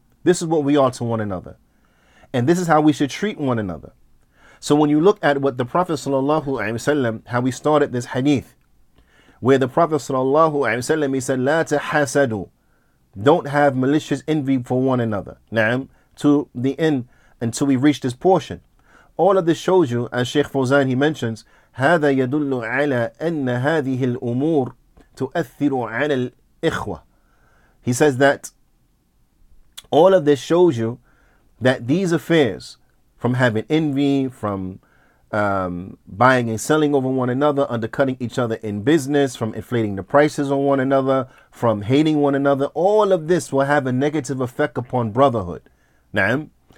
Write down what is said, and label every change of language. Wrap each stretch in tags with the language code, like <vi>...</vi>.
<en>This is what we are to one another. And this is how we should treat one another. So when you look at what the Prophet sallallahu alaihi wasallam, how we started this hadith, where the Prophet sallallahu alaihi wasallam, he said,</en> <ar>لا تحسدوا,</ar> <en>don't have malicious envy for one another. Na'am, to the end, until we reach this portion. All of this shows you, as Sheikh Fawzan, he mentions,</en> <ar>هذا يدل على أن هذه الأمور تؤثر على الإخوة.</ar> <en>He says that all of this shows you that these affairs, from having envy, from buying and selling over one another, undercutting each other in business, from inflating the prices on one another, from hating one another, all of this will have a negative effect upon brotherhood. Na'am.</en>